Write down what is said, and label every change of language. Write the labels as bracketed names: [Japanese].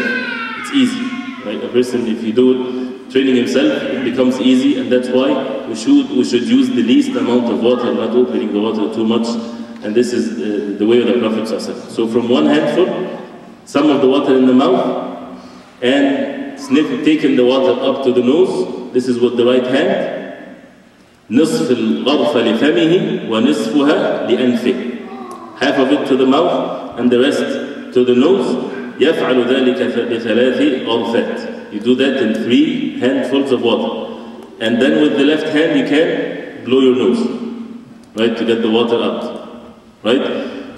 [English] It's easy, right? A person, if you do it, training himself, it becomes easy, and that's why we should use the least amount of water, not opening the water too much. And this is the way of the Prophet ﷺ. So from one handful, some of the water in the mouth, and taking the water up to the nose, this is with the right hand. [Arabic] نصف الغرفة لفمه ونصفها لأنفه. [English] Half of it to the mouth and the rest to the nose. [Arabic] يفعل ذلك بثلاث غرفات. [English] You do that in three handfuls of water. And then with the left hand you can blow your nose, right, to get the water out. Right?